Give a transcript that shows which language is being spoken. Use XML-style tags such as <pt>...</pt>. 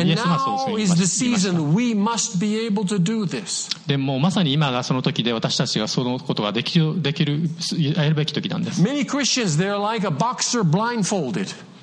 <en>And now is the season we must be able to do this.</en> <ja>でもまさに今がその時で私たちがそのことができるやるべき時なんです。</ja> <en>Many Christians they're like a boxer blindfolded.</en>